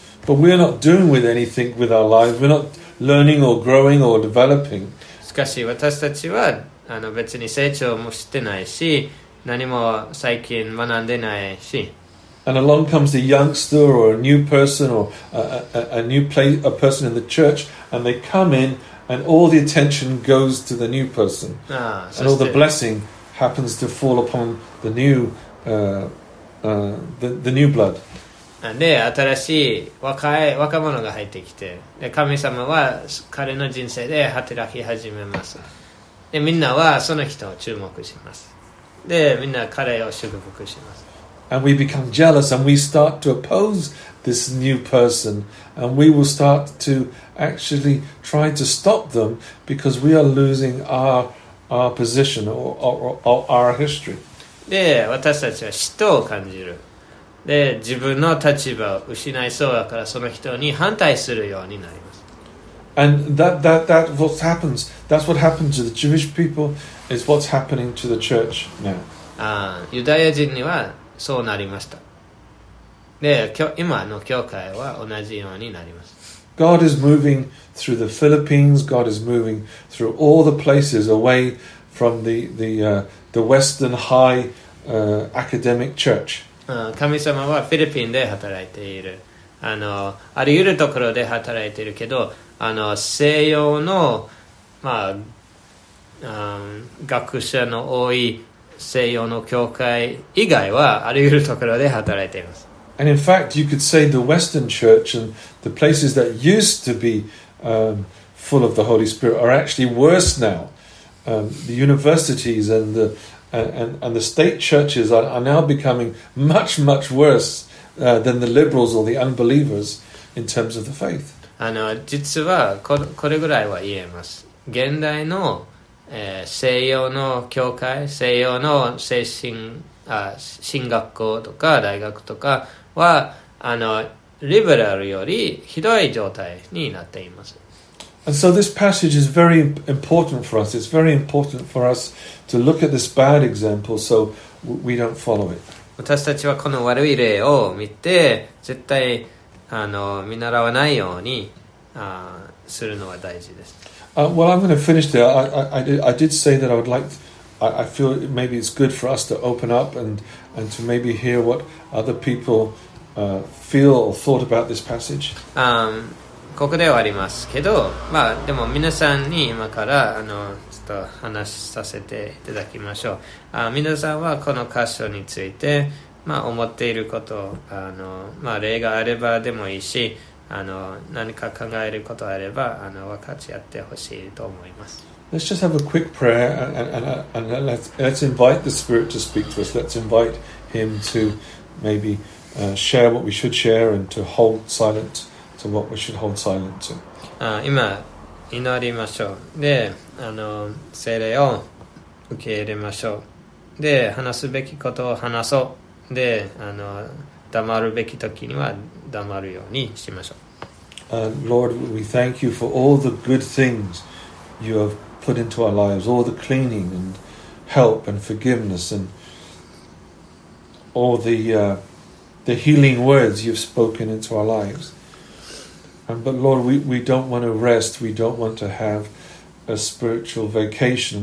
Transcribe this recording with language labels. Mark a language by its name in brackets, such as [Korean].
[English] But we're not doing with anything with our lives. We're not learning or growing or developing. [Japanese] しかし私たちは別に成長もしてないし、何も最近学んでないし。 [English] And along comes a youngster or a new person or a person in the church, and they come in, and all the attention goes to the new person. And all the blessing happens to fall upon the new, the new blood. [Japanese] で新しい若者が入ってきて、で神様は彼の人生で働き始めます。でみんなはその人を注目します。でみんな彼を祝福します。 [English] And we become jealous and we start to oppose this new person, and we will start to actually try to stop them because we are losing our position or our history. [Japanese] で私たちは嫉妬を感じる。で自分の立場を失いそうだからその人に反対するようになります。 [English] And that what happens, that's what happened to the Jewish people, is what's happening to the church now. [Japanese] ユダヤ人にはそうなりました。で今の教会は同じようになります。 [English] God is moving through the Philippines. God is moving through all the places away from the Western high academic church. [Japanese] 神様はフィリピンで働いている。あらゆるところで働いているけど、西洋の、まあ、学者の多い西洋の教会以外はあらゆるところで働いています。 [English] And in fact you could say the Western church and the places that used to be、full of the Holy Spirit are actually worse now、the universities and theAnd the state churches are now becoming much, much worse、than the liberals or the unbelievers in terms of the faith. [Japanese] 実はこれぐらいは言えます。現代の、西洋の教会、西洋の精神、神学校とか大学とかは、リベラルよりひどい状態になっています。 [English] And so this passage is very important for us. It's very important for us to look at this bad example so we don't follow it. [Japanese] 私たちはこの悪い例を見て絶対見習わないようにするのは大事です。 [English] Well, I'm going to finish there. I did say that I would like to, I feel maybe it's good for us to open up and to maybe hear what other people feel or thought about this passage. [Japanese] ここで終わりますけど、まあ、でも皆さんに今からちょっと話させていただきましょう。皆さんはこの箇所について、まあ、思っていること、まあ、例があればでもいいし、何か考えることがあれば分かち合ってほしいと思います。 [English] Let's just have a quick prayer and let's invite the Spirit to speak to us. Let's invite Him to maybe share what we should share and to hold silent. So what we should hold silent to. [Japanese] 今祈りましょう。で、聖霊を受け入れましょう。で、話すべきことを話そう。で、黙るべき時には黙るようにしましょう。 [English] Lord, we thank you for all the good things you have put into our lives, all the cleaning and help and forgiveness and all the healing words you've spoken into our lives. But Lord, we don't want to rest. We don't want to have a spiritual vacation.